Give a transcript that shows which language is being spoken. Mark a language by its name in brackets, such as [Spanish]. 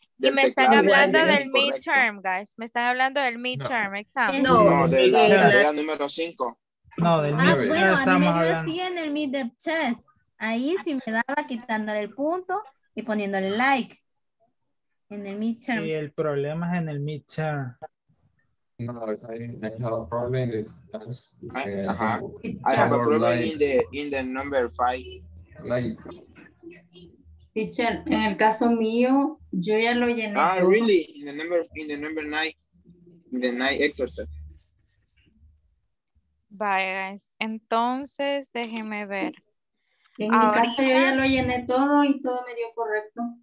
[Spanish] y me están hablando del midterm, guys. Me están hablando del midterm, no. [English] Exam. [Spanish] No, del de la tarea número 5. No, del midterm. Bueno, a mí me dio así en el midterm test. Ahí sí me daba quitándole el punto y poniéndole like. En el midterm. Y el problema es en el midterm. [English] No, I have a problem in the test. I have a problem like, in the number 5. Like. [Spanish] Teacher, en el caso mío, yo ya lo llené. Ah, todo. [English] Really? In the number 9, the 9 exercise. Bye, guys. [Spanish] Entonces, déjeme ver. En mi caso, yo ya lo llené todo y todo me dio correcto.